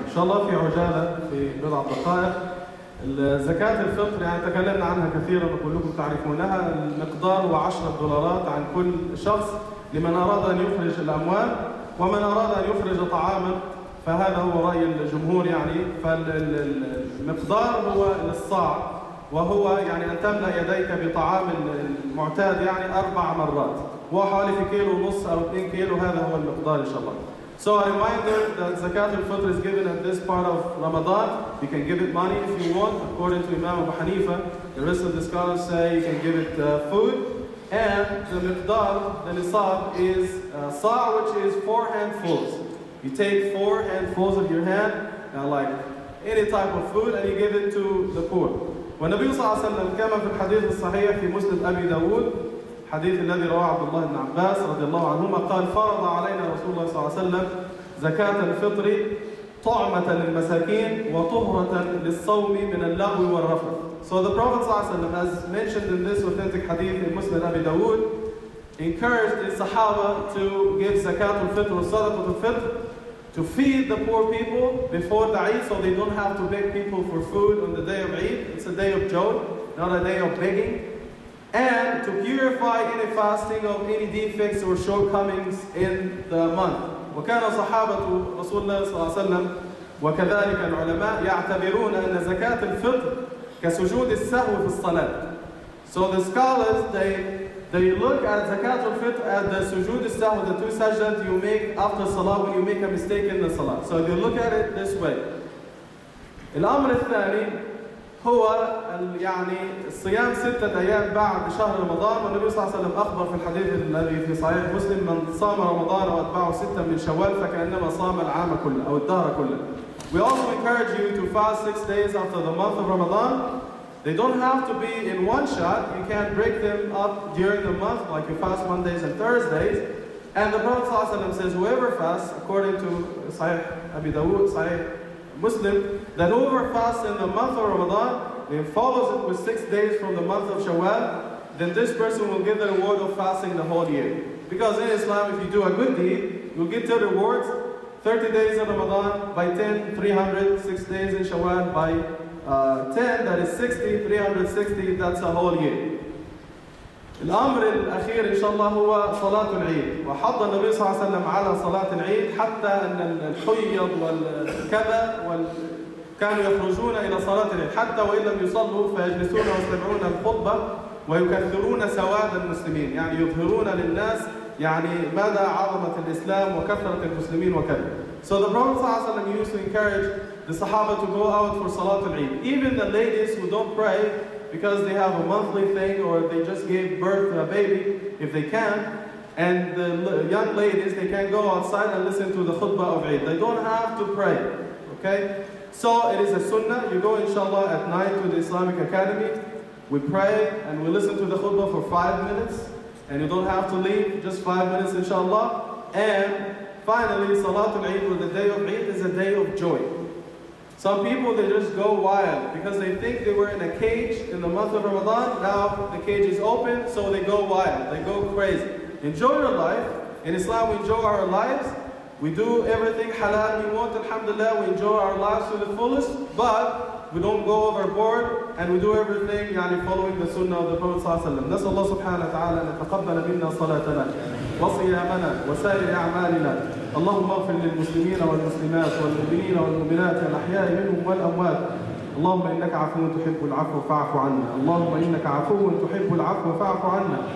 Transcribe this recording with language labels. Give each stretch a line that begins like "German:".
Arabic: إن شاء الله في عجالة في بضع دقائق زكاة الفطر، يعني تكلمنا عنها كثيرا وكلكم تعرفونها، المقدار هو 10 دولارات عن كل شخص لمن أراد أن يخرج الأموال، ومن أراد أن يخرج طعاما فهذا هو رأي الجمهور، يعني فالمقدار هو الصاع، وهو يعني أن تملأ يديك بطعام المعتاد يعني 4 مرات، وحوالي في كيلو ونص أو 2 كيلو، هذا هو المقدار إن شاء الله.
English: So a reminder that Zakat al-Fitr is given at this part of Ramadan. You can give it money if you want, according to Imam Abu Hanifa. The rest of the scholars say you can give it food. And the miqdar, the nisab, is sa', which is 4 handfuls. You take 4 handfuls of your hand, like any type of food, and you give it to the poor.
Arabic: والنبي صلى الله عليه وسلم كما في الحديث الصحيح في مسند أبي داود، حديث الذي رواه عبد الله بن عباس رضي الله عنهما قال: فرض علينا رسول الله صلى الله عليه وسلم زكاة الفطر طعمة للمساكين وطهرة للصوم من اللغو والرفث.
English: So the Prophet صلى الله عليه وسلم has mentioned in this authentic hadith in مسند أبي داود encouraged the Sahaba to give زكاة الفطر صدقة الفطر to feed the poor people before the Eid, so they don't have to beg people for food on the day of Eid. It's a day of joy, not a day of begging. And to purify any fasting of any defects or shortcomings in the month.
Arabic: وكان صحابة رسول الله صلى الله عليه وسلم وكذلك العلماء يعتبرون أن زكاة الفطر كسجود السهو في الصلاة.
English: So the scholars, they look at Zakat al-Fitr at the sujood al-sahw, the 2 sajdat you make after salah when you make a mistake in the salah. So they look at it this way.
Arabic: الأمر الثاني هو يعني الصيام 6 أيام بعد شهر رمضان، والنبي صلى الله عليه وسلم أخبر في الحديث الذي في صحيح مسلم: من صام رمضان وأتبعه 6 من شوال فكأنما صام العام كله أو الدهر كله.
English: We also encourage you to fast 6 days after the month of Ramadan. They don't have to be in one shot. You can't break them up during the month like you fast Mondays and Thursdays. And the Prophet ﷺ says whoever fasts, according to Sahih Abi Dawood, Sahih Muslim, that whoever fasts in the month of Ramadan, then follows it with 6 days from the month of Shawwal, then this person will get the reward of fasting the whole year. Because in Islam, if you do a good deed, you'll get the rewards 30 days in Ramadan by 10, 300, 6 days in Shawwal by 10, that is 60, 360, that's a whole year.
Arabic: الأمر الأخير إن شاء الله هو صلاة العيد، وحض النبي صلى الله عليه وسلم على صلاة العيد حتى أن الحيض والكذا كانوا يخرجون إلى صلاة الليل حتى وإن لم يصلوا فيجلسون ويستمعون الخطبة ويكثرون سواد المسلمين، يعني يظهرون للناس يعني مدى عظمة الإسلام وكثرة المسلمين وكذا.
English: So the Prophet صلى الله عليه وسلم used to encourage the Sahaba to go out for Salat al-Eid. Even the ladies who don't pray because they have a monthly thing or they just gave birth to a baby, if they can, and the young ladies, they can go outside and listen to the khutbah of Eid. They don't have to pray, okay? So it is a sunnah. You go, inshallah, at night to the Islamic Academy. We pray and we listen to the khutbah for 5 minutes. And you don't have to leave, just 5 minutes, inshallah. And finally, Salatul Eid, or the day of Eid, is a day of joy. Some people, they just go wild because they think they were in a cage in the month of Ramadan. Now the cage is open, so they go wild. They go crazy. Enjoy your life. In Islam, we enjoy our lives. We do everything halal we want, alhamdulillah. We enjoy our lives to the fullest, but we don't go overboard and we do everything يعني following the sunnah of the Prophet صلى الله عليه وسلم.
Arabic: نسأل الله سبحانه وتعالى أن يتقبل منا صلاتنا وصيامنا وسائر أعمالنا. اللهم اغفر للمسلمين والمسلمات والمؤمنين والمؤمنات الأحياء منهم والأموات. اللهم إنك عفو تحب العفو فاعف عنا. اللهم إنك عفو تحب العفو فاعف عنا.